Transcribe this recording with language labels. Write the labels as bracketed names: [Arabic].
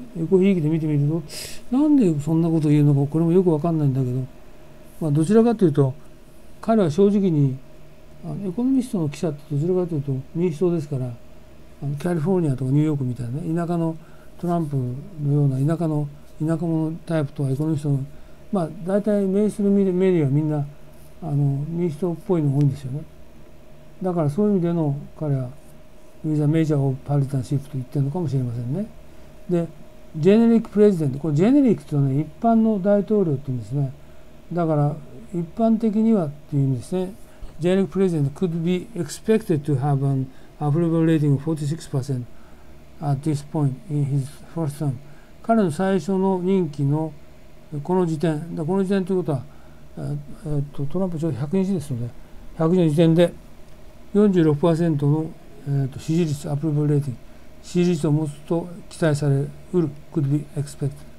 [Japanese] エコひいきで見てみると、なんでそんなことを言うのか、これもよく分かんないんだけど、まあ、どちらかというと彼は正直に、エコノミストの記者ってどちらかというと民主党ですから、キャリフォルニアとかニューヨークみたいなね、田舎の、トランプのような田舎者タイプとはエコノミストの、まあ、大体メインするメディアはみんな民主党っぽいのが多いんですよね。だからそういう意味での彼はウィザメジャーオブパルタンシップと言ってるのかもしれませんね。で、ジェネリックプレジデント、これジェネリックというのは、ね、一般の大統領って言うんですね。だから一般的にはっていう意味ですね。 [English] ジェネリックプレジデント could be expected to have an approval rating of 46% at this point in his first term。 [Japanese] 彼の最初の任期のこの時点だ、この時点ということは、トランプちょうど100日ですので、100日の時点で 46% の、支持率、アプローバルレーティング、支持率を持つと期待されうる、 [English] could be expected。